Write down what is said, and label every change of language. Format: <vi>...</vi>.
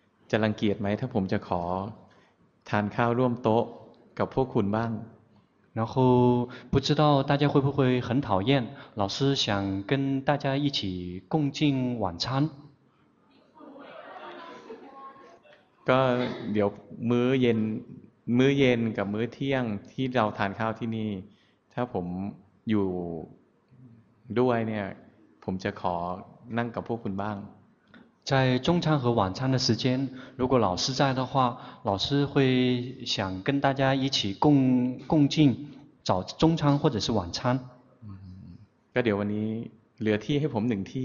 <th>จะรังเกียจไหมถ้าผมจะขอทานข้าวร่วมโต๊ะกับพวกคุณบ้าง</th> <zh>然后不知道大家会不会很讨厌老师想跟大家一起共进晚餐</zh> <th>ก็เดี๋ยวมื้อเย็นกับมื้อเที่ยงที่เราทานข้าวที่นี่ถ้าผมอยู่ด้วยเนี่ยผมจะขอนั่งกับพวกคุณบ้าง</th> <zh>在中餐和晚餐的时间如果老师在的话老师会想跟大家一起共进找中餐或者是晚餐</zh> <th>ก็เดี๋ยววันนี้เหลือที่ให้ผมหนึ่งที</th>